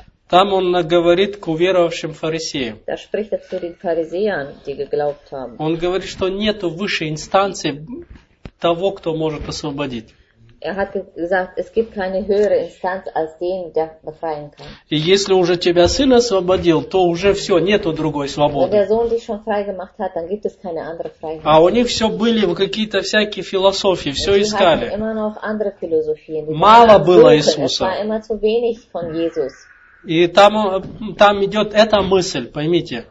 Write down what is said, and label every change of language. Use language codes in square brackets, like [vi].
[ru] Там он говорит к уверовавшим фарисеям. [de] Da spricht zu den Pharisäern, die geglaubt haben. [ru] Он говорит, что нету высшей инстанции того, кто может освободить. [de] Er hat gesagt, es gibt keine höhere Instanz als den, der befreien kann. [ru] И если уже тебя Сын освободил, то уже все, нету другой свободы. [de] Wenn der Sohn dich schon frei gemacht hat, dann gibt es keine andere Freiheit. [ru] А у них все были какие-то всякие философии, все искали. [de] Immer noch andere Philosophien. [ru] Мало было Иисуса. [de] Es war immer zu wenig von Jesus. [ru] И там идет эта мысль, поймите.